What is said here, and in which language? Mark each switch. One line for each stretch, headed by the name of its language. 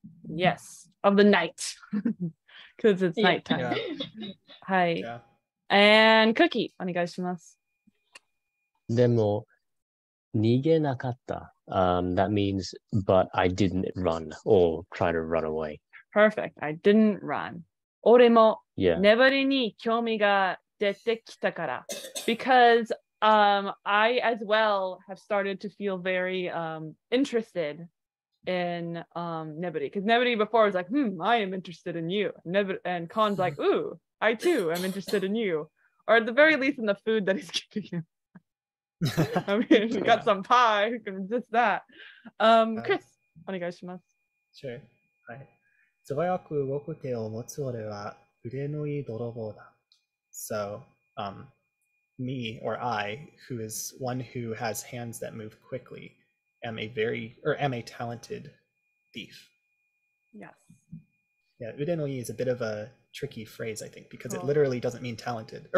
English: Yes, of the night, because it's nighttime. Yeah. Hi. Yeah.
Japanese: And Cookie, お願いします。でも、逃げなかった。
English: That means, but I didn't run or try to run away. Perfect. I didn't run.
Japanese: 俺も、粘りに興味が出てきたから。
English: Because I as well have started to feel very interested in Nebody. Because Nebody before was like, I am interested in you. And Khan's like, ooh, I too am interested in you. Or at the very least in the food that he's giving him. I mean, if you got some pie, who can resist that?
Japanese: Chris, お願いします。
English: Sure. はい。
Japanese: 素早く動く手を持つ俺は腕のいい泥棒だ。
English: So, me or I, who is one who has hands that move quickly, am a talented thief. Yes. Yeah, 腕のいい is a bit of a tricky phrase, I think, because it literally doesn't mean talented.